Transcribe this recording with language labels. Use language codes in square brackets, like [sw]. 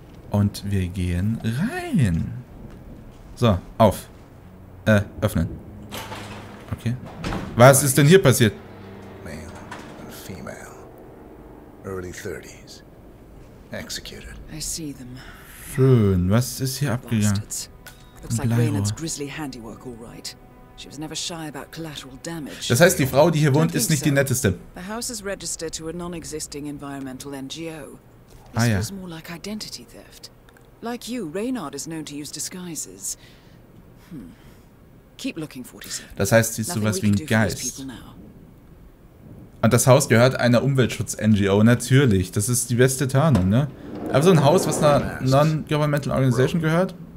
[de] Und wir gehen rein. So, auf. Öffnen. Okay. Was ist denn hier passiert? [en] Male and female. Early 30s. Executed. I see them. [de] Schön. Was ist hier abgegangen? [en] Looks like Raynard's grisly handiwork, all right. She was never shy about collateral damage. [de] Das heißt, die Frau, die hier wohnt, ist nicht die netteste. [en] The house is registered to a non-existing environmental NGO. This was more like identity theft. Like you, Raynard is known to use disguises. Keep looking, 47. [de] Das heißt, sie ist sowas wie ein Geist. Und das Haus gehört einer Umweltschutz-NGO, natürlich. Das ist die beste Tarnung, ne? Aber so ein Haus, was einer Non-Governmental Organization gehört?